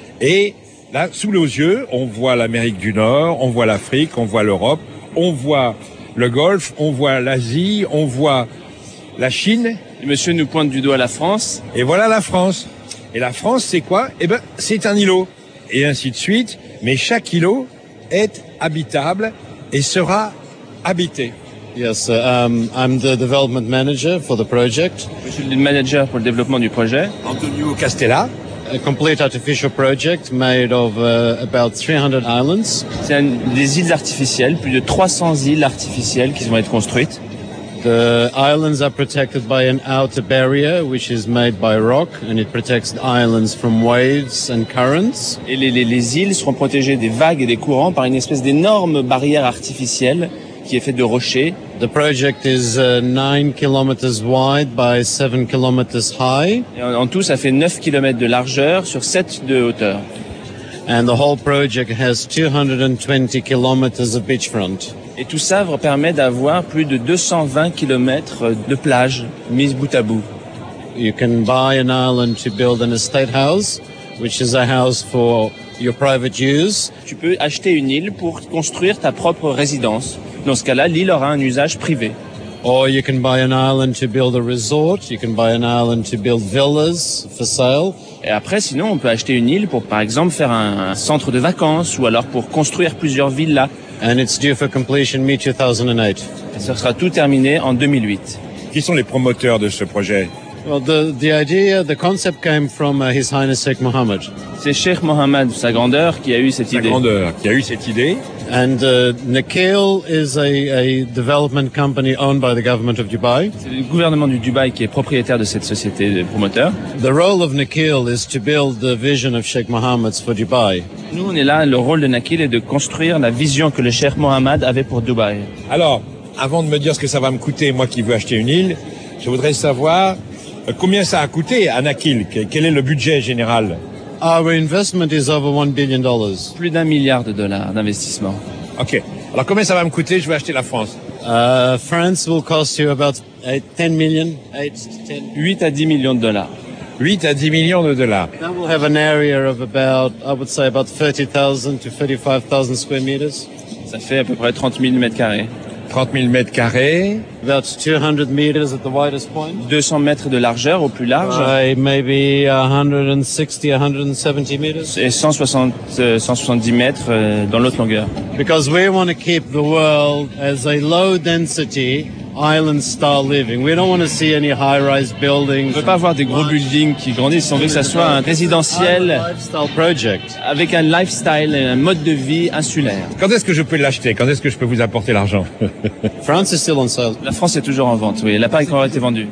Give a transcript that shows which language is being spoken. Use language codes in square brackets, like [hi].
[fr] Et là, sous nos yeux, on voit l'Amérique du Nord, on voit l'Afrique, on voit l'Europe, on voit le Golfe, on voit l'Asie, on voit la Chine. Et monsieur nous pointe du doigt la France. Et voilà la France. Et la France, c'est quoi? Eh ben, c'est un îlot. Et ainsi de suite. Mais chaque îlot est habitable et sera habité. [en] Yes, I'm the development manager for the project. [fr] Je suis le manager pour le développement du projet. Antonio Castella. [en] A complete artificial project made of about 300 islands. [fr] C'est des îles artificielles, plus de 300 îles artificielles qui vont être construites. [en] The islands are protected by an outer barrier which is made by rock and it protects the islands from waves and currents. [fr] Et les îles seront protégées des vagues et des courants par une espèce d'énorme barrière artificielle qui est faite de rochers. [en] The project is 9 kilometers wide by 7 kilometers high. [fr] Et en tout ça fait 9 kilomètres de largeur sur 7 de hauteur. [en] And the whole project has 220 kilometers of beachfront. [fr] Et tout ça permet d'avoir plus de 220 kilomètres de plage mises bout à bout. [en] You can buy an island to build an estate house, which is a house for your private use. [fr] Tu peux acheter une île pour construire ta propre résidence. Dans ce cas-là, l'île aura un usage privé. [en] Or you can buy an island to build a resort. You can buy an island to build villas for sale. [fr] Et après, sinon, on peut acheter une île pour, par exemple, faire un centre de vacances ou alors pour construire plusieurs villas. [en] And it's due for completion mid-2008. [fr] Et ça sera tout terminé en 2008. Qui sont les promoteurs de ce projet? [en] Well, the idea, the concept came from His Highness Sheikh Mohammed. [fr] C'est Sheikh Mohammed, sa grandeur, qui a eu cette idée. Sa grandeur, qui a eu cette idée. [en] And Nakheel is a development company owned by the government of Dubai. [fr] C'est le gouvernement du Dubaï qui est propriétaire de cette société de promoteurs. [en] The role of Nakheel is to build the vision of Sheikh Mohammed for Dubai. [fr] Nous, on est là, le rôle de Nakheel est de construire la vision que le Sheikh Mohammed avait pour Dubaï. Alors, avant de me dire ce que ça va me coûter, moi qui veux acheter une île, je voudrais savoir combien ça a coûté à Nakheel. Quel est le budget général? [en] Our investment is over $1 billion. [fr] Plus d'un milliard de dollars d'investissement. Ok. Alors combien ça va me coûter? Je vais acheter la France. [en] France will cost you about 10 million. [fr] 8 à 10 millions de dollars. 8 à 10 millions de dollars. [en] That will have an area of about, I would say, about 30,000 to 35,000 square meters. [fr] Ça fait à peu près 30 000 mètres carrés. 30 000 mètres carrés. [en] About 200 meters at the widest point. [fr] 200 mètres de largeur au plus large. [en] Maybe 160-170 meters. [fr] Et 160-170 mètres dans l'autre longueur. [en] Because we want to keep the world as a low density island style living. We don't want to see any high rise buildings. [fr] On ne veut pas voir des gros buildings qui grandissent. On veut que ça soit un résidentiel avec un lifestyle, un mode de vie insulaire. Quand est-ce que je peux l'acheter? Quand est-ce que je peux vous apporter l'argent? [en] France is still on sale. [fr] La France est toujours en vente, oui. Elle n'a pas encore été vendue.